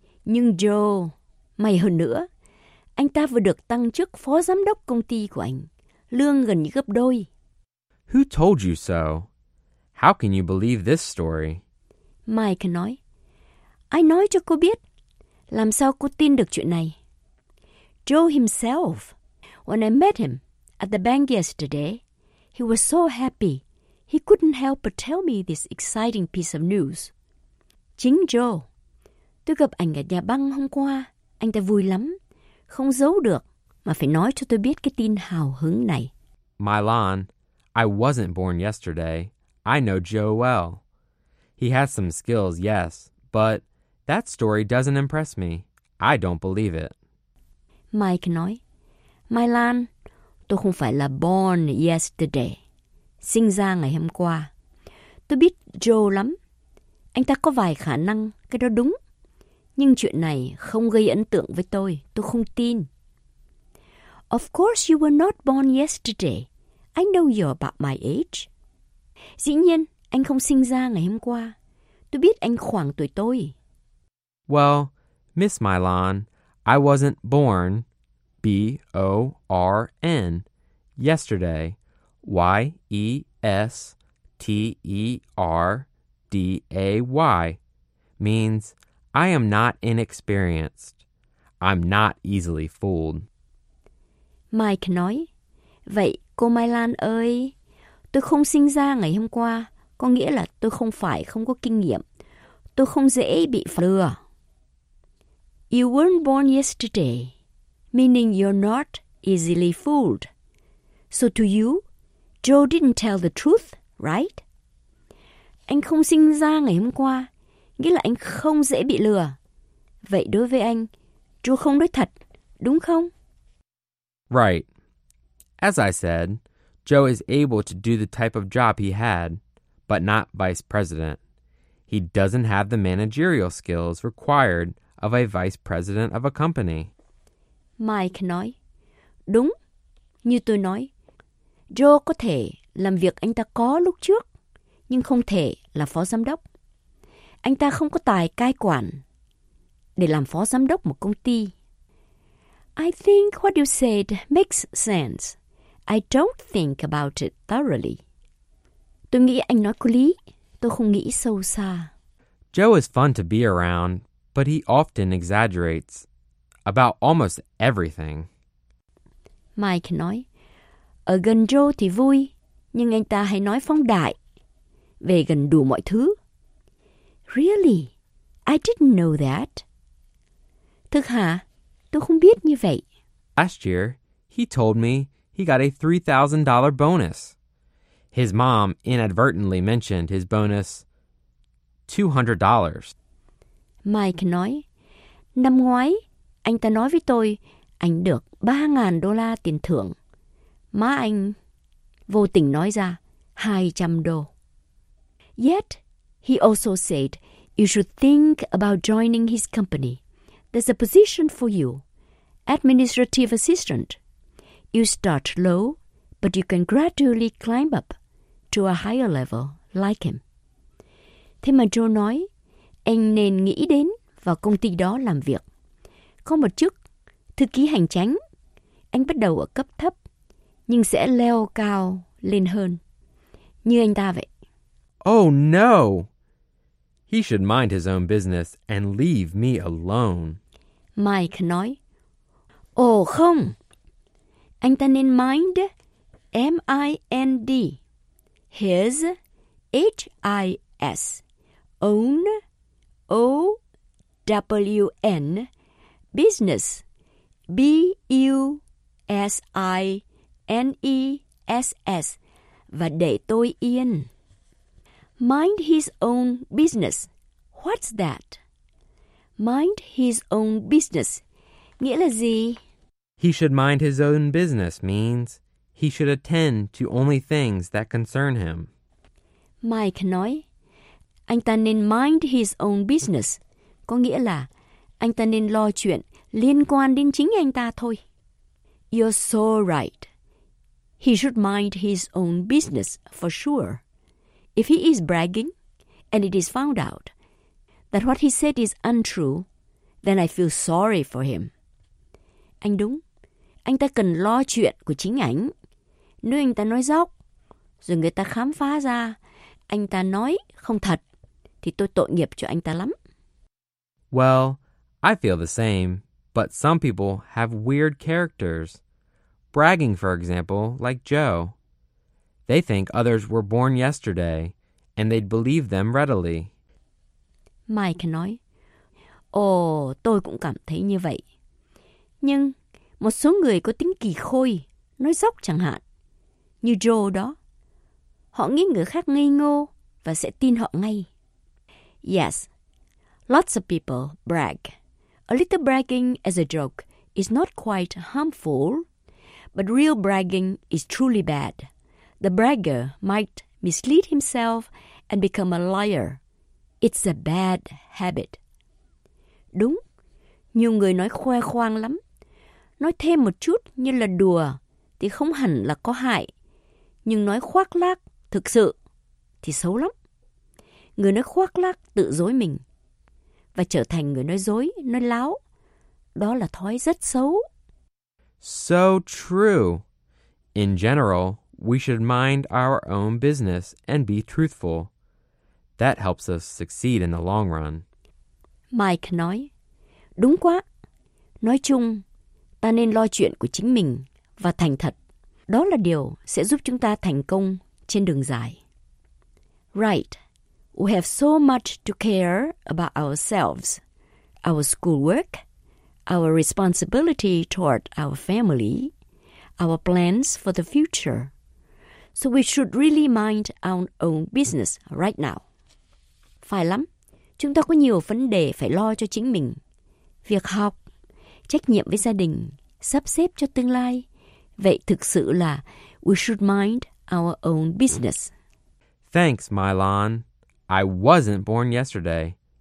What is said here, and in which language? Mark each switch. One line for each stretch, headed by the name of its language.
Vietnamese: Nhưng Joe, may hơn nữa, anh ta vừa được tăng chức phó giám đốc công ty của anh, lương gần như gấp đôi.
English: Who told you so? How can you believe this story?
Vietnamese: Mike nói, ai nói cho cô biết? Làm sao cô tin được chuyện này?
English: Joe himself, when I met him at the bank yesterday, he was so happy, he couldn't help but tell me this exciting piece of news.
Vietnamese: Chính Joe, tôi gặp anh ở nhà băng hôm qua, anh ta vui lắm, không giấu được mà phải nói cho tôi biết cái tin hào hứng này.
English: Milan, I wasn't born yesterday. I know Joe well. He has some skills, yes, but that story doesn't impress me. I don't believe it.
Vietnamese: Mike nói, Milan, tôi không phải là
English: born yesterday.
Vietnamese: Sinh ra ngày hôm qua. Tôi biết Joe lắm. Anh ta có vài khả năng, cái đó đúng. Nhưng chuyện này không gây ấn tượng với tôi không tin.
English: Of course you were not born yesterday. I know you're about my age.
Vietnamese: Dĩ nhiên, anh không sinh ra ngày hôm qua. Tôi biết anh khoảng tuổi tôi.
English: Well, Miss Milan, I wasn't born, B-O-R-N, yesterday, Y-E-S-T-E-R-D-A-Y, means I am not inexperienced. I'm not easily fooled.
Vietnamese: Mike nói, vậy cô Milan ơi, tôi không sinh ra ngày hôm qua, có nghĩa là tôi không phải không có kinh nghiệm. Tôi không dễ bị lừa.
English: You weren't born yesterday, meaning you're not easily fooled. So to you, Joe didn't tell the truth, right?
Vietnamese: Anh không sinh ra ngày hôm qua, nghĩa là anh không dễ bị lừa. Vậy đối với anh, Joe không nói thật, đúng không?
English: Right. As I said, Joe is able to do the type of job he had, but not vice president. He doesn't have the managerial skills required of a vice president of a company.
Vietnamese: Mike nói, đúng, như tôi nói, Joe có thể làm việc anh ta có lúc trước, nhưng không thể là phó giám đốc. Anh ta không có tài cai quản để làm phó giám đốc một công ty.
English: I think what you said makes sense. I don't think about it thoroughly.
Vietnamese: Tôi nghĩ anh nói có lý. Tôi không nghĩ sâu xa.
English: Joe is fun to be around, but he often exaggerates about almost everything.
Vietnamese: Mike nói, ở gần Joe thì vui, nhưng anh ta hay nói phóng đại về gần đủ mọi thứ.
English: Really? I didn't know that.
Vietnamese: Thực hả? Tôi không biết như vậy.
English: Last year, he told me he got a $3,000 bonus. His mom inadvertently mentioned his bonus $200.
Vietnamese: Mike nói, năm ngoái, anh ta nói với tôi, anh được $3,000 tiền thưởng. Má anh vô tình nói ra, $200.
English: Yet, he also said, you should think about joining his company. There's a position for you. Administrative assistant. You start low, but you can gradually climb up to a higher level like him.
Vietnamese: Thế mà Joe nói, anh nên nghĩ đến vào công ty đó làm việc. Có một chức thư ký hành chính, anh bắt đầu ở cấp thấp, nhưng sẽ leo cao lên hơn, như anh ta vậy.
English: Oh no! He should mind his own business and leave me alone.
Vietnamese: Mike nói, ồ không, anh ta nên
English: mind, M-I-N-D, his, H-I-S, own, O-W-N, business, B-U-S-I-N-E-S-S,
Vietnamese: và để tôi yên.
English: Mind his own business. What's that? Mind his own business.
Vietnamese: Nghĩa là gì?
English: He should mind his own business means he should attend to only things that concern him.
Vietnamese: Mike nói, anh ta nên
English: mind his own business,
Vietnamese: có nghĩa là anh ta nên lo chuyện liên quan đến chính anh ta thôi.
English: You're so right. He should mind his own business for sure. If he is bragging and it is found out that what he said is untrue, then I feel sorry for him.
Vietnamese: Anh đúng. Anh ta cần lo chuyện của chính ảnh. Nếu anh ta nói dóc, rồi người ta khám phá ra anh ta nói không thật, thì tôi tội nghiệp cho anh ta lắm.
English: Well, I feel the same, but some people have weird characters. Bragging, for example, like Joe. They think others were born yesterday, and they'd believe them readily.
Vietnamese: Mike nói, Ồ, tôi cũng cảm thấy như vậy. Nhưng một số người có tính kỳ khôi, nói dốc chẳng hạn, như Joe đó. Họ nghĩ người khác ngây ngô và sẽ tin họ ngay.
English: Yes, lots of people brag. A little bragging as a joke is not quite harmful, but real bragging is truly bad. The bragger might mislead himself and become a liar. It's a bad habit.
Vietnamese: Đúng, nhiều người nói khoe khoang lắm. Nói thêm một chút như là đùa thì không hẳn là có hại. Nhưng nói khoác lác thực sự thì xấu lắm. Người nói khoác lác tự dối mình và trở thành người nói dối, nói láo. Đó là thói rất xấu.
English: So true. In general, we should mind our own business and be truthful. That helps us succeed in the long run.
Vietnamese: Mike nói, đúng quá. Nói chung, ta nên lo chuyện của chính mình và thành thật. Đó là điều sẽ giúp chúng ta thành công trên đường dài.
English: Right. We have so much to care about ourselves, our schoolwork, our responsibility toward our family, our plans for the future. So we should really mind our own business right now.
Vietnamese: Phải lắm. Chúng ta có nhiều vấn đề phải lo cho chính mình. Việc học, trách nhiệm với gia đình, sắp xếp cho tương lai. Vậy thực sự là
English: we should mind our own business. Thanks, Mylon. I wasn't born yesterday.